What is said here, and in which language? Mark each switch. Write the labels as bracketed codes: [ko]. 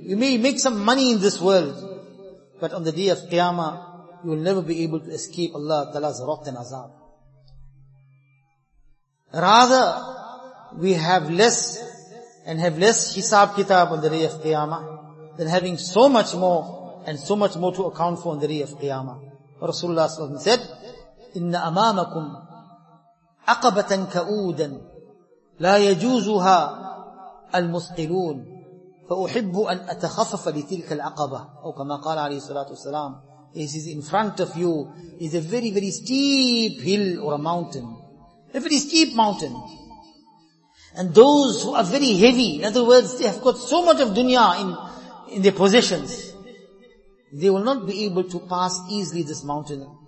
[en] You may make some money in this world, but on the day of Qiyamah, you will never be able to escape Allah Ta'ala's wrath and azab. Rather, we have less and have less hisab kitab on the day of Qiyamah than having so much more and so much more to account for on the day of Qiyamah. Rasulullah sallallahu alaihi wasallam said, [ar] إن أمامكم عقبة كؤودا لا يجوزها المثقلون فأحب أن أتخفف لتلك العقبة. أو كما قال عليه الصلاة والسلام, [en] he says, in front of you is a very very steep hill or a mountain, a very steep mountain, and those who are very heavy, in other words, they have got so much of dunya in their possessions, they will not be able to pass easily this mountain.